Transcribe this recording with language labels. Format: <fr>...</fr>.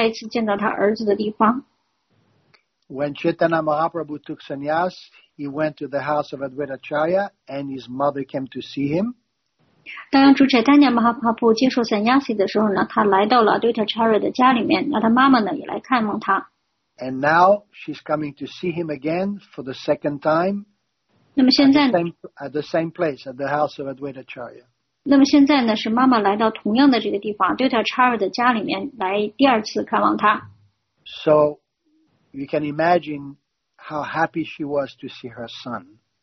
<zh>那这也就是Sachi妈妈再一次见到她儿子的地方。</zh> <en>When Chaitanya Mahaprabhu took sannyas, he went to the house of Advaita Acharya, and his mother came to see him.</en> <zh>当主 Chaitanya Mahaprabhu 接受 sannyasi 的时候呢，他来到了 Advaita Acharya的家里面，那他妈妈呢也来看望他。</zh> <en>And now she's coming to see him again for the second time.</en> <zh>那么现在，</zh> <en>at the same place at the house of Advaita Acharya.</en> <zh>那么现在呢，是妈妈来到同样的这个地方 ，Advaita Acharya的家里面来第二次看望他。</zh> <en>So you can imagine how happy she was to see her son.</en>